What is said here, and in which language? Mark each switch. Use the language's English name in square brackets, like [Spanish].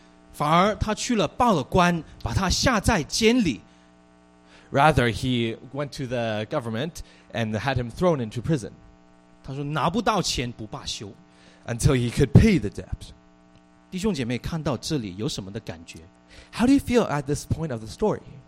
[Chinese] 反而他去了报了官，把他下在监里。 [English] Rather, he went to the government and had him thrown into prison. [Chinese] 他说拿不到钱不罢休。 [English] Until he could pay the debt. [Chinese] 弟兄姐妹看到这里有什么的感觉？ [English] How do you feel at this point of the story?